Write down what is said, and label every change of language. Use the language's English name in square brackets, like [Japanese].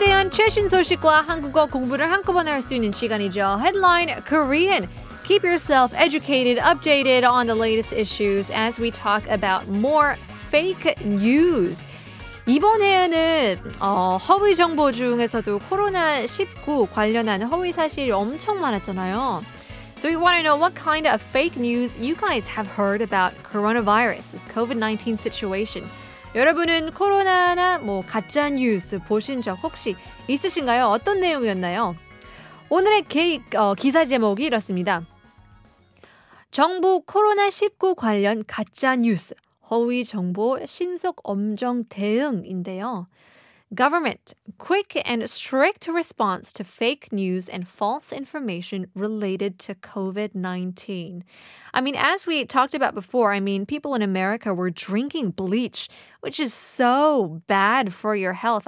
[Korean] 최신 소식과 한국어 공부를 한꺼번에 할 수 있는 시간이죠. [English] Headline Korean. Keep yourself educated, updated on the latest issues as we talk about more fake news. [Korean] 이번에는 허위 정보 중에서도 코로나19 관련한 허위 사실이 엄청 많았잖아요. [English] So we want to know what kind of fake news you guys have heard about coronavirus, this COVID-19 situation. [Korean] 여러분은 코로나나 뭐 가짜 뉴스 보신 적 혹시 있으신가요? 어떤 내용이었나요? 오늘의 기사 제목이 이렇습니다. 정부 코로나19 관련 가짜 뉴스, 허위 정보 신속 엄정 대응인데요. [English] Government, quick and strict response to fake news and false information related to COVID-19. I mean, as we talked about before, I mean, people in America were drinking bleach, which is so bad for your health.